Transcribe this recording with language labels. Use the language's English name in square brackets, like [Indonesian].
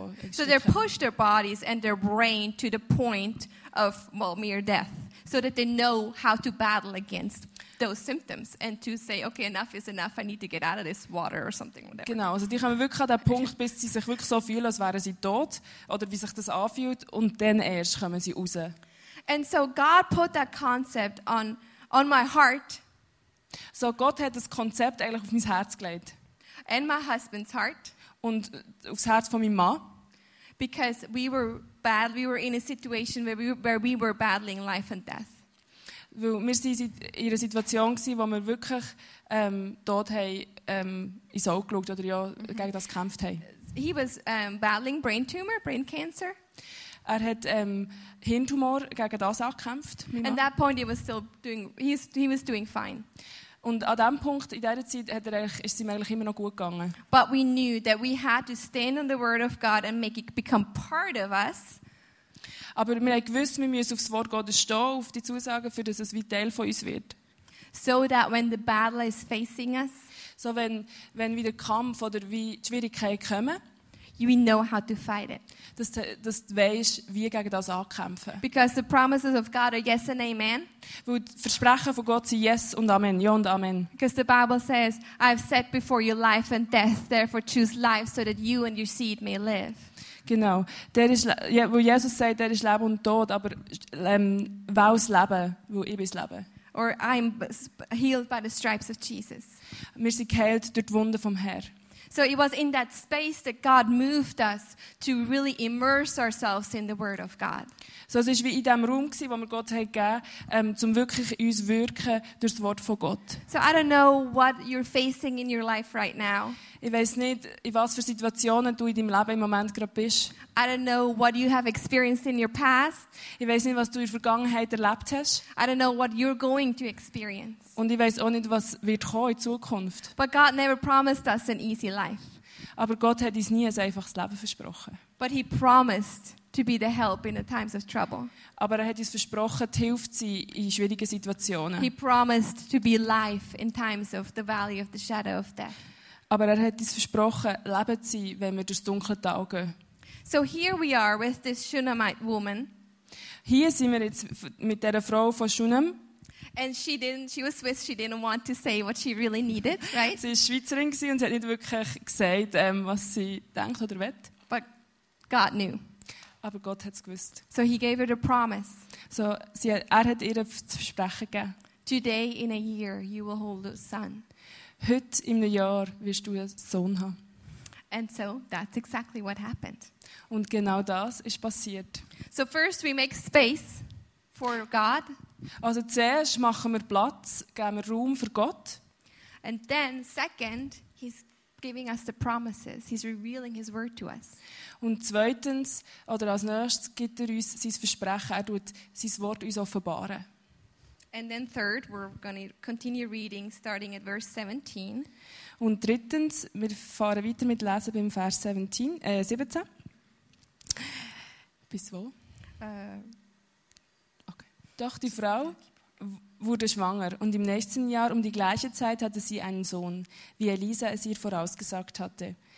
[English] So they push their bodies and their brain to the point of, well, mere death. So that they know how to battle against those symptoms and to say, okay, enough is enough, I need to get out of this water or something. Whatever. [German] Genau, also die kommen wirklich an den Punkt, bis sie sich wirklich so fühlen, als wären sie tot oder wie sich das anfühlt und dann erst kommen sie raus. [English] And so God put that concept on my heart. [German] So Gott hat das Konzept eigentlich auf mein Herz gelegt. [English] And my husband's heart. [German] Und aufs Herz von meinem Mann. [English] Because we were in a situation where we were battling life and death. [German] Weil wir waren in einer Situation, in der wir wirklich dort ins Auge geschaut oder ja, mm-hmm. gegen das gekämpft haben. [English] He was battling brain tumor, brain cancer. [German] Er hat Hirntumor gegen das angekämpft. [English] At that point he was doing fine. [German] Und an dem Punkt, in dieser Zeit, hat er ist es ihm eigentlich immer noch gut gegangen. [English] But we knew that we had to stand on the word of God and make it become part of us. [German] Aber wir haben gewusst, wir müssen aufs Wort Gottes stehen, auf die Zusagen, für dass es wie Teil von uns wird. [English] So that when the battle is facing us, [German] so wenn wieder Kampf oder wie Schwierigkeiten kommen, [English] we know how to fight it. [German] Dass du weißt, wie gegen das ankämpfen. [English] Because the promises of God are yes and amen. [German] Weil die Versprechen von Gott sind yes und amen, ja und amen. [English] Because the Bible says, I've set before you life and death, therefore choose life so that you and your seed may live. [German] Genau. Der ist, ja, wo Jesus sagt, der ist Leben und Tod, aber wähl das Leben, weil ich bin das Leben. [English] Or I'm healed by the stripes of Jesus. [German] Wir sind geheilt durch die Wunden vom Herrn. [English] So it was in that space that God moved us to really immerse ourselves in the Word of God. [German] So es ist wie in dem Raum gsi, wo mir Gott hat gegeben, zum wirklich uns wirken durchs Wort von Gott. [English] So I don't know what you're facing in your life right now. [German] Ich weiß nicht, in was für Situationen du in deinem Leben im Moment gerade bist. [English] I don't know what you have experienced in your past. [German] Ich weiß nicht, was du in der Vergangenheit erlebt hast. [English] I don't know what you're going to experience. [German] Und ich weiß auch nicht, was wird kommen in Zukunft. [English] But God never promised us an easy life. [German] Aber Gott hat uns nie ein einfaches Leben versprochen. [English] But he promised to be the help in the times of trouble. [German] Aber er hat uns versprochen, die Hilfe zu sein in schwierigen Situationen. [English] He promised to be life in times of the valley of the shadow of death. [German] Aber er hat uns versprochen, Leben zu sein, wenn wir durchs dunkle Tal gehen. [English] So here we are with this Shunammite woman. [German] Hier sind wir jetzt mit dieser Frau von Shunem. [English] And she was Swiss, she didn't want to say what she really needed, right? [German] Sie war Schweizerin und hat nicht wirklich gesagt, was sie denkt oder will. [English] But God knew. [German] Aber Gott hat's gewusst. [English] So he gave her the promise. [German] So sie hat, er hat ihr das Versprechen gegeben. [English] Today in a year you will hold a son. [German] Heute in einem Jahr wirst du einen Sohn haben. [English] And so that's exactly what happened. [German] Und genau das ist passiert. [English] So first we make space for God. [German] Also zuerst machen wir Platz, geben wir Raum für Gott. [English] And then second, he's giving us the promises. He's revealing his word to us. [German] Und zweitens, oder als nächstes, gibt er uns sein Versprechen. Er tut sein Wort uns offenbaren. [English] And then third, we're going to continue reading, starting at verse 17. [German] Und drittens, wir fahren weiter mit Lesen beim Vers 17. Bis wo? Okay. Doch die Frau wurde schwanger und im nächsten Jahr um die gleiche Zeit hatte sie einen Sohn, wie Elisa es ihr vorausgesagt hatte.